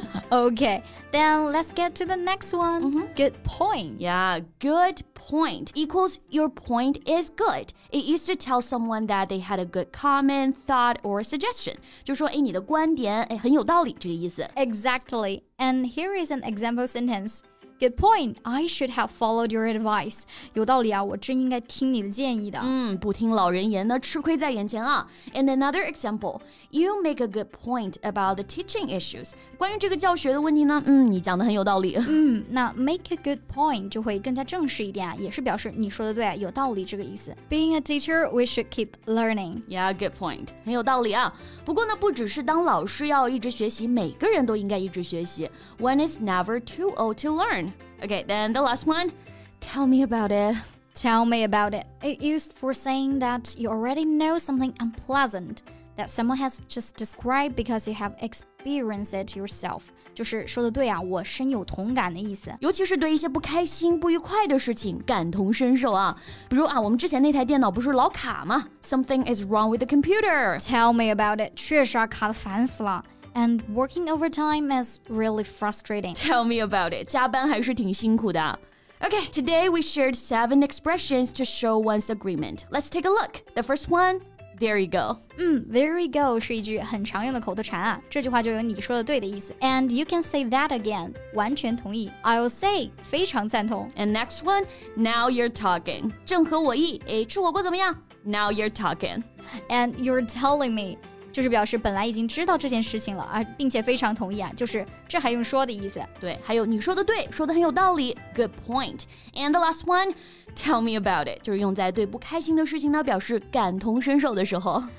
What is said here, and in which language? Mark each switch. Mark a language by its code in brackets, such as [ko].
[en] OK Then let's get to the next one、mm-hmm. Good point Yeah, good point Equals your point is good It used to tell someone that they had a good comment, thought, or suggestion [zh] 就说哎，你的观点哎，很有道理这个意思 [en] Exactly And here is an example sentenceGood point. I should have followed your advice. [zh] 有道理啊，我真应该听你的建议的。不听老人言呢，吃亏在眼前啊。 [en] And another example, you make a good point about the teaching issues. [zh] 关于这个教学的问题呢，你讲的很有道理。那 [en] make a good point [zh] 就会更加正式一点啊，也是表示你说的对啊，有道理这个意思。 [en] Being a teacher, we should keep learning. Yeah, good point. [zh] 很有道理啊。不过呢，不只是当老师要一直学习，每个人都应该一直学习。 [en] One is never too old to learn. Okay, then the last one. Tell me about it. Tell me about it. It used for saying that you already know something unpleasant that someone has just described because you have experienced it yourself. [zh] 就是说的对啊，我深有同感的意思。尤其是对一些不开心、不愉快的事情感同身受啊。比如啊，我们之前那台电脑不是老卡吗？ [en] Something is wrong with the computer. Tell me about it. [zh] 确实啊，卡得烦死了。 [en] And working overtime is really frustrating. Tell me about it. [zh] 加班还是挺辛苦的。 [en] Okay, today we shared 7 expressions to show one's agreement. Let's take a look. The first one, there you go. There you go [zh] 是一句很常用的口头禅啊。这句话就有你说的对的意思。 [en] And you can say that again. [zh] 完全同意。 [en] I'll say, [zh] 非常赞同。 [en] And next one, now you're talking. [zh] 正合我意。诶，吃火锅怎么样？ [en] Now you're talking. And you're telling me. [zh] 就是表示本来已经知道这件事情了、啊、并且非常同意啊就是这还用说的意思对还有你说的对说的很有道理 [en] Good point And the last one Tell me about it [zh] 就是用在对不开心的事情呢表示感同身受的时候